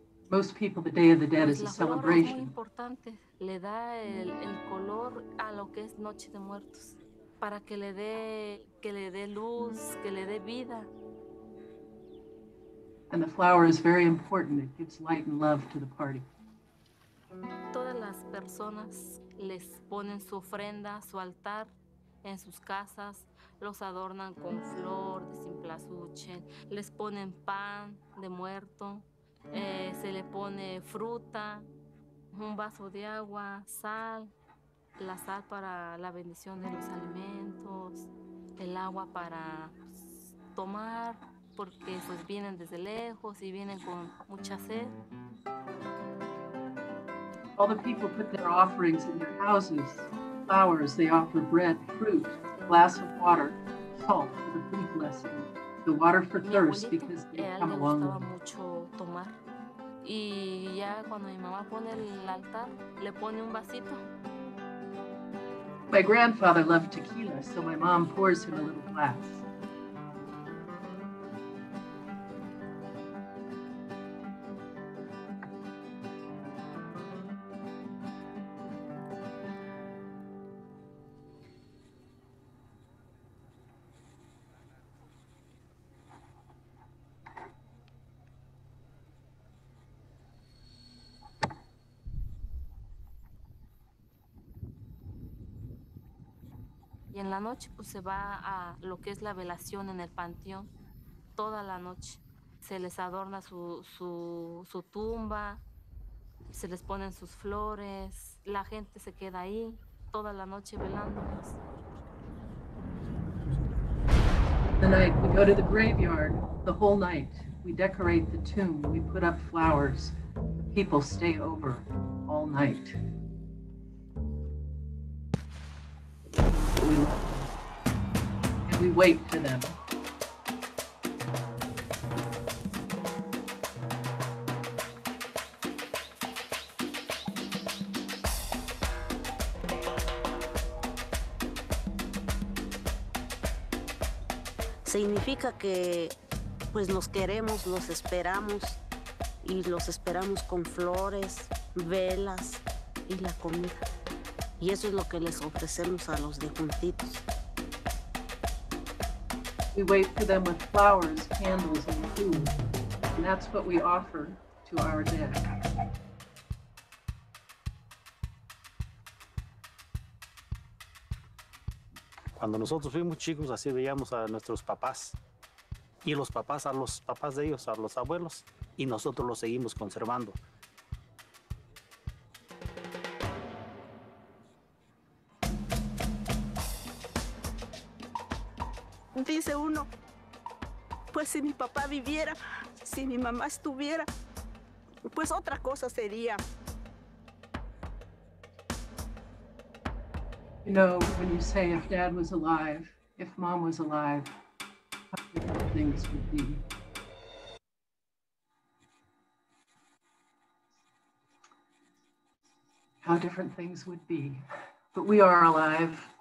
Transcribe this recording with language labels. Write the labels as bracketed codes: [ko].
[en] Most people, the Day of the Dead is a celebration. [es] Muy importante, le da el color a lo que es Noche de Muertos, para que le dé luz, que le dé vida. [en] And the flower is very important. It gives light and love to the party. [es] Todas las personas les ponen su ofrenda, su altar en sus casas, los adornan con flor de cempasúchil, les ponen pan de muerto, se le pone fruta, un vaso de agua, sal, la sal para la bendición de los alimentos, el agua para tomar, porque pues vienen desde lejos y vienen con mucha sed. [en] All the people put their offerings in their houses, flowers, they offer bread, fruit, a glass of water, salt for the food blessing, the water for thirst, because they come along with [es] them. Mucho tomar. Y ya cuando mi mamá pone el altar, le pone un vasito. [en] My grandfather loved tequila, so my mom pours him a little glass. [es] Y en la noche pues se va a lo que es la velación en el panteón. Toda la noche se les adorna su tumba, se les ponen sus flores, la gente se queda ahí toda la noche velando. [en] The night we go to the graveyard, the whole night we decorate the tomb, we put up flowers. People stay over all night. And we wait for them. [es] Significa que pues los queremos, los esperamos, y los esperamos con flores, velas y la comida. Y eso es lo que les ofrecemos a los difuntitos. [en] We wait for them with flowers, candles, and food. And that's what we offer to our dead. [es] Cuando nosotros fuimos chicos, así veíamos a nuestros papás. Y los papás a los papás de ellos, a los abuelos. Y nosotros los seguimos conservando. Dice uno, pues si mi papá viviera, si mi mamá estuviera, pues otra cosa sería. [en] You know, when you say if dad was alive, if mom was alive, how different things would be. How different things would be. But we are alive.